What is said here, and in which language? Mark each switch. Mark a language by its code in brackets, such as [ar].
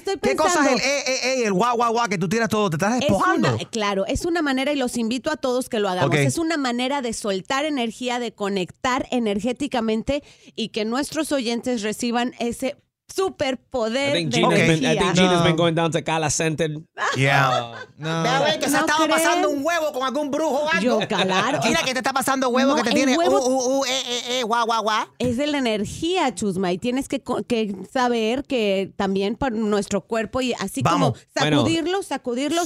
[es] ¿Qué cosa es el el guau, guau, guau que tú tiras todo? ¿Te estás despojando? Claro, es una manera, y los invito a todos que lo hagamos. Okay. Es una manera de soltar energía, de conectar energéticamente y que nuestros oyentes reciban ese superpoder de energía. [en] Okay. I think Gina's been going down to Cala Center. Yeah. [es] No. Ve a ver que se ha estado pasando un huevo con algún brujo o algo. Yo, claro. Gina, que te está pasando huevo, no, que te tiene huevo... guau, guau, guau. Es de la energía, Chusma, y tienes que saber que también para nuestro cuerpo, y así vamos. Como sacudirlo, bueno, sacudirlo,